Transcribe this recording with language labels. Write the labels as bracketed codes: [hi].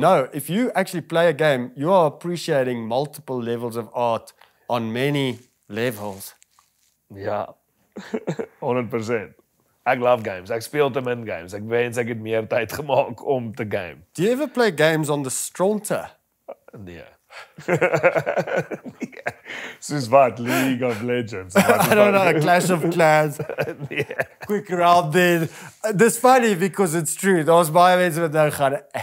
[en] No, if you actually play a game, you are appreciating multiple levels of art on many levels. [af] Ja, 100%. Ek love games. Ek speel te min games. Ek wens ek het meer tyd gemaak om te game. [en] Do you ever play games on the stronter? [af] Nee. Soos wat? League of Legends? [en] I don't know. Clash of Clans. [af] Nee. [en] Quick round then. This funny because it's true. [af] Daar was baie mense wat nou gaan...